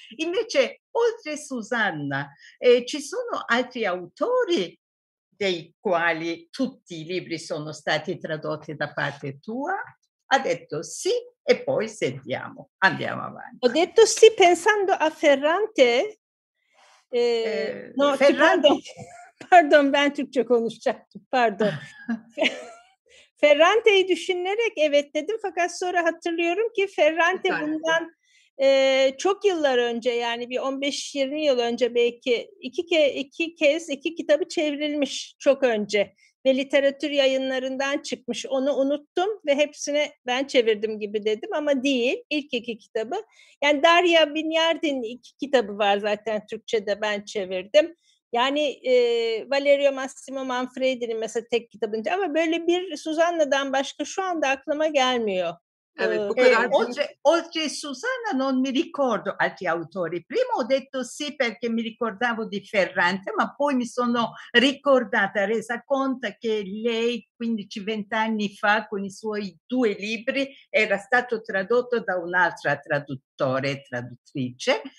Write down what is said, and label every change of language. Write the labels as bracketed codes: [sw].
[it] Invece, oltre Susanna, ci sono altri autori dei quali tutti i libri sono stati tradotti da parte tua? Ha detto sì e poi sentiamo. Andiamo avanti. Ho detto sì pensando a Ferrante. No, Ferrante. [tr] Pardon, ben Türkçe konuşacaktım. Pardon. Ferrante'yi düşünerek evet dedim. Fakat sonra hatırlıyorum ki Ferrante bundan Çok yıllar önce, yani bir 15-20 yıl önce belki iki kez kitabı çevrilmiş çok önce ve literatür yayınlarından çıkmış. Onu unuttum ve hepsine ben çevirdim gibi dedim ama değil, ilk iki kitabı. Yani Darya Binyardin'in iki kitabı var zaten Türkçe'de, ben çevirdim. Yani Valerio Massimo Manfredi'nin mesela tek kitabını, ama böyle bir Susanna'dan başka şu anda aklıma gelmiyor. [it] Oltre Susanna non mi ricordo altri autori. Prima ho detto sì perché mi ricordavo di Ferrante, ma poi mi sono ricordata, resa conto che lei 15-20 anni fa con i suoi due libri era stato tradotto da un'altra traduttore, traduttrice.